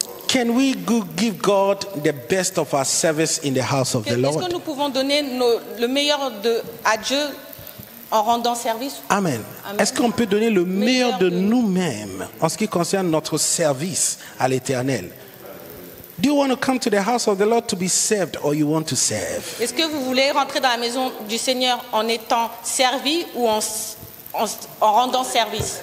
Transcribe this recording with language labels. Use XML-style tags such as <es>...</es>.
<en>Can we give God the best of our service in the house of the Lord?</en> <fr>Est-ce que nous pouvons donner le meilleur à Dieu en rendant service? Amen. Est-ce qu'on peut donner le meilleur de nous-mêmes en ce qui concerne notre service à l'Éternel?</fr> <en>Do you want to come to the house of the Lord to be served or you want to serve?</en> <fr>Est-ce que vous voulez rentrer dans la maison du Seigneur en étant servi ou en rendant service?</fr>